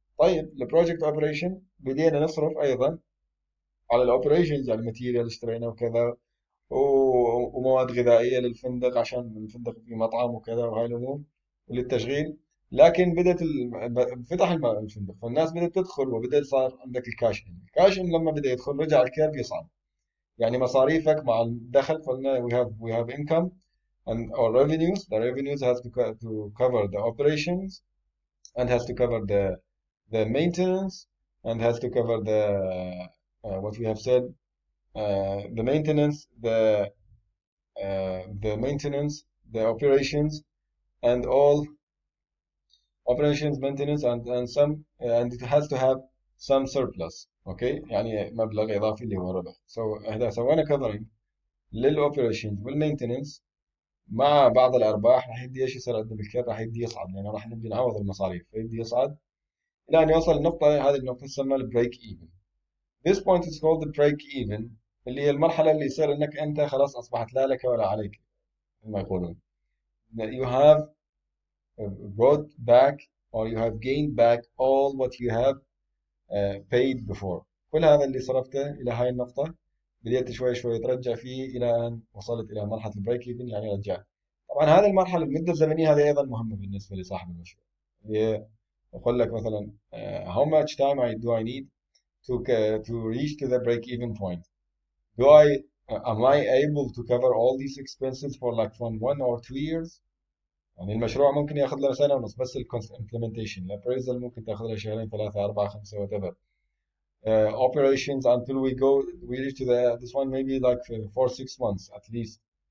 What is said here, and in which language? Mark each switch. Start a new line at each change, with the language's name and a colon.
Arabic: طيب البروجكت اوبريشن بدينا نصرف ايضا على الاوبريشنز، يعني ماتيريال اشترينا وكذا، ومواد غذائيه للفندق عشان الفندق فيه مطعم وكذا وهاي الامور وللتشغيل. لكن بدات فتح الفندق، فالناس بدات تدخل، وبدا صار عندك الكاش ان. الكاش ان لما بدا يدخل رجع الكيرف يصعد، يعني مصاريفك مع الدخل، قلنا
English: we have income and our revenues. The revenues has to cover the operations and has to cover the maintenance and has to cover the what we have said, the maintenance, the maintenance, the operations, and all operations, maintenance, and some, and it has to have some surplus.
Arabic: Okay, يعني مبلغ إضافي اللي هو ربح. So إذا سوينا covering للoperations والmaintenance مع بعض الأرباح، راح يدي إيش يصير عندنا بالكير؟ راح يدي يصعد، يعني راح نبدأ نعوض المصاريف، فيدي يصعد إلى أن يوصل النقطة، هذه النقطة تسمى البريك إيفن.
English: This point is called the break even،
Arabic: اللي هي المرحلة اللي يصير انك انت خلاص اصبحت لا لك ولا عليك، ما يقولون
English: you have brought back or you have gained back all what you have paid before.
Arabic: كل هذا اللي صرفته الى هاي النقطة بديت شوي شوي ترجع فيه الى ان وصلت الى مرحلة البريك ايفن، يعني رجع. طبعا هذه المرحلة، المدة الزمنية هذه ايضا مهمة بالنسبة لصاحب المشروع، اللي هي اقول لك مثلا
English: how much time I do I need to reach to the break even point. Do I am I able to cover all these expenses for like from 1 or 2 years؟
Arabic: يعني المشروع ممكن ياخذ له سنة ونص، بس الimplementation الابريزل ممكن تاخذ له شهرين ثلاثة أربعة خمسة whatever.
English: Operations until we go we reach to the this one maybe like for 6 months at least.